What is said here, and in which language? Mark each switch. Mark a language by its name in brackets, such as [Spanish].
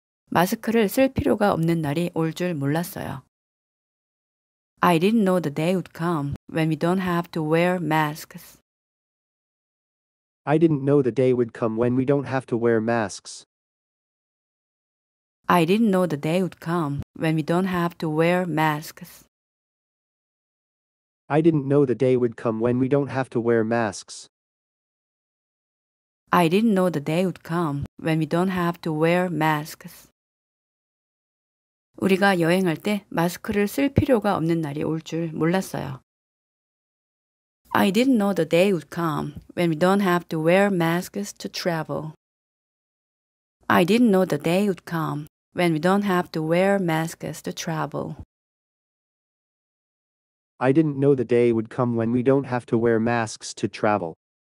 [Korean] 마스크를 쓸 필요가 없는 날이 올 줄 몰랐어요. [English] I didn't know the day would come when we don't have to wear masks. I didn't know the day would come when we don't have to wear masks. I didn't know the day would come when we don't have to wear masks. I didn't know the day would come when we don't have to wear masks. I didn't know the day would come when we don't have to wear masks. [Korean] 우리가 여행할 때 마스크를 쓸 필요가 없는 날이 올 줄 몰랐어요. [English] I didn't know the day would come when we don't have to wear masks to travel. I didn't know the day would come when we don't have to wear masks to travel. I didn't know the day would come when we don't have to wear masks to travel.